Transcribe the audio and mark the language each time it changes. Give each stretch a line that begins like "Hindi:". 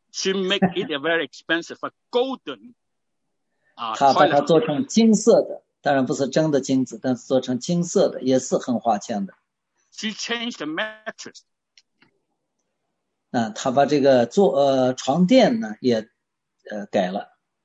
English: She make it a very expensive, a golden.
Chinese: 他把它做成金色的，当然不是真的金子，但是做成金色的也是很花钱的。
English: She changed the mattress.
Chinese: 他把这个床垫呢也改了。